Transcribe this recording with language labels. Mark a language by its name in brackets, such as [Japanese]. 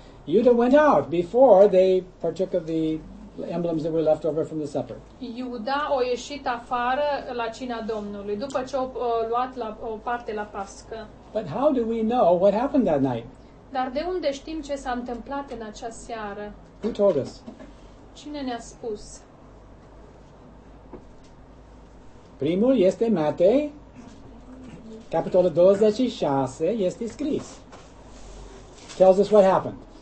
[English] Iuda went out before they partook of the emblems that were left over from the supper. [Romanian] Iuda a ieșit afară la cina Domnului, după ce a luat la, o parte la Pască. [English] But how do we know what happened that night? [Romanian] Dar de unde știm ce s-a întâmplat în acea seară? [English] Who told us? [Romanian] Cine ne-a spus? Primul este Matei. Capitolul 26 este scris. [English] Tells us what happened.